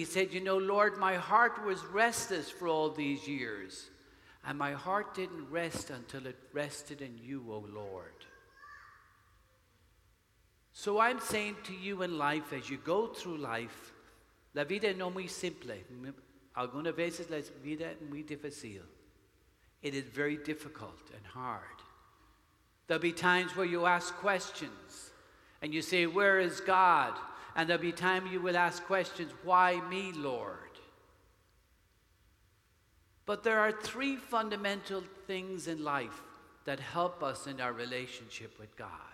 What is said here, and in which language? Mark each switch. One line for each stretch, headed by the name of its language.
English: He said, you know, Lord, my heart was restless for all these years. And my heart didn't rest until it rested in you, O Lord. So I'm saying to you in life, as you go through life,
Spanish: la vida no muy simple. Algunas veces la vida muy difícil.
English: It is very difficult and hard. There'll be times where you ask questions and you say, where is God? And there'll be time you will ask questions, why me, Lord? But there are three fundamental things in life that help us in our relationship with God.